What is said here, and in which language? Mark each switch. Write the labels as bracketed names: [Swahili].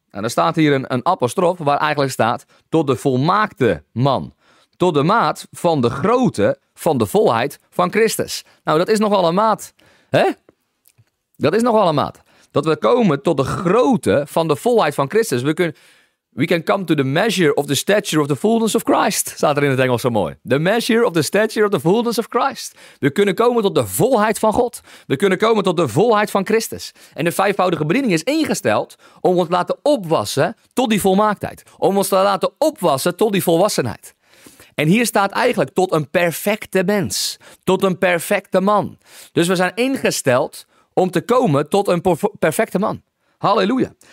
[Dutch] En er staat hier een apostrof waar eigenlijk staat tot de volmaakte man. Tot de maat van de grootte van de volheid van Christus. Nou, dat is nogal een maat, hè? Dat is nogal een maat. Dat we komen tot de grootte van de volheid van Christus. [English] We can come to the measure of the stature of the fullness of Christ. [Dutch] Staat er in het Engels zo mooi. [English] The measure of the stature of the fullness of Christ. [Dutch] We kunnen komen tot de volheid van God. We kunnen komen tot de volheid van Christus. En de vijfvoudige bediening is ingesteld om ons te laten opwassen tot die volmaaktheid. Om ons te laten opwassen tot die volwassenheid. En hier staat eigenlijk tot een perfecte mens. Tot een perfecte man. Dus we zijn ingesteld om te komen tot een perfecte man. Halleluja.